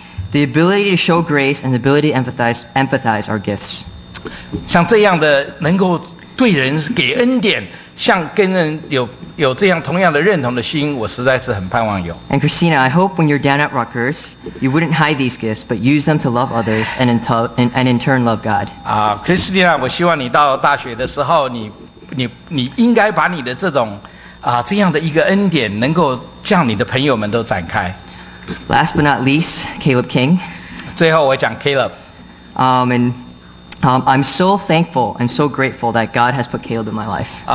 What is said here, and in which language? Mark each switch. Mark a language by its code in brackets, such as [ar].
[en] The ability to show grace and the ability to empathize are gifts. [zh] 像这样的能够对人给恩典，像跟人有这样同样的认同的心，我实在是很盼望有。 [en] And Christina, I hope when you're down at Rutgers, you wouldn't hide these gifts, but use them to love others and in turn love God. [zh] Christina, 我希望你到大学的时候，你应该把你的这种这样的一个恩典，能够向你的朋友们都展开。 [en] Last but not least, Caleb King. [zh] 最后我讲Caleb. [en] I'm so thankful and so grateful that God has put Caleb in my life.